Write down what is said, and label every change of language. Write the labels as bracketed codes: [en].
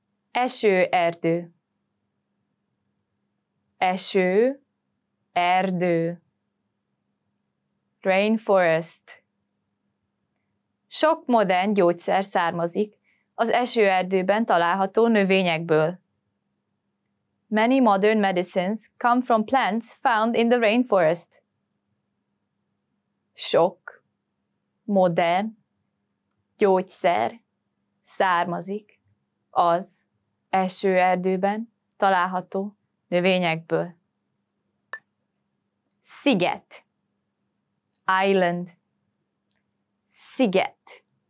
[hu] Esőerdő. Esőerdő. [en] Rainforest. [hu] Sok modern gyógyszer származik az esőerdőben található növényekből. [en] Many modern medicines come from plants found in the rainforest. [hu] Sok modern gyógyszer származik az esőerdőben található növényekből. Sziget. [en] Island. [hu] Sziget.